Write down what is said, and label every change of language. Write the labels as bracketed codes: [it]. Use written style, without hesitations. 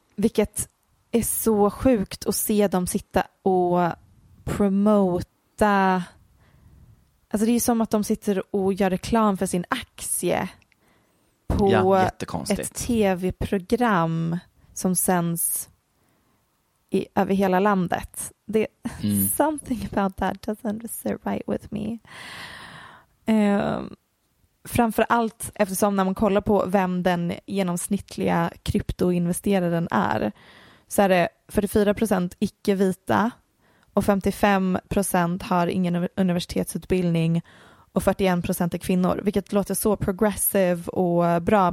[sv] Vilket är så sjukt att se dem sitta och promota. Alltså det är ju som att de sitter och gör reklam för sin aktie på, ja, ett tv-program som sänds i, över hela landet. Det, mm. [en] Something about that doesn't sit right with me. [sv] Framförallt eftersom när man kollar på vem den genomsnittliga kryptoinvesteraren är, så är det 44% icke-vita och 55% har ingen universitetsutbildning och 41% är kvinnor, vilket låter så progressive och bra.